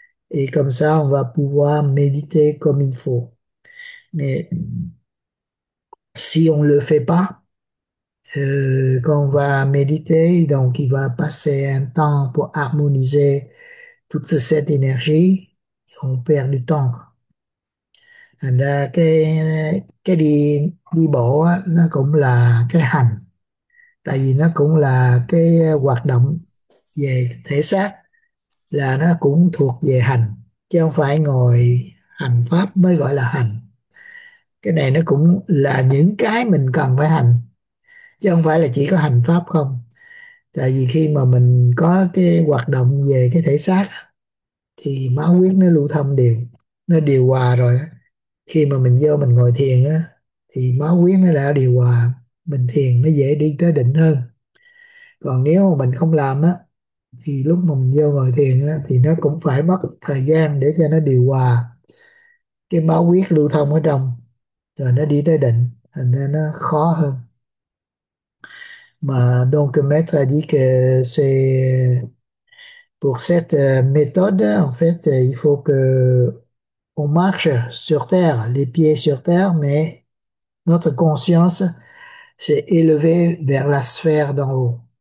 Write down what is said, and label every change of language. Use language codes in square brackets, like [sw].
[fr] Et comme ça, on va pouvoir méditer comme il faut. Mais si on ne le fait pas, quand on va méditer, donc il va passer un temps pour harmoniser toute cette énergie, on perd du temps. [vi] Cái đi đi bộ á, nó cũng là cái hành, tại vì nó cũng là cái hoạt động về thể xác, là nó cũng thuộc về hành, chứ không phải ngồi hành pháp mới gọi là hành. Cái này nó cũng là những cái mình cần phải hành, chứ không phải là chỉ có hành pháp không. Tại vì khi mà mình có cái hoạt động về cái thể xác thì máu huyết nó lưu thông đều, nó điều hòa rồi. Khi mà mình vô mình ngồi thiền á thì máu huyết nó đã điều hòa, mình thiền nó dễ đi tới định hơn. Còn nếu mà mình không làm á thì lúc mà mình vô ngồi thiền á thì nó cũng phải mất thời gian để cho nó điều hòa, cái máu huyết lưu thông ở trong rồi nó đi tới định, thành ra nó khó hơn. [fr] Mà donc maître a dit que c'est pour cette méthode, en fait, il faut que on marche sur terre, les pieds sur terre, mais notre conscience s'est élevée vers la sphère d'en haut.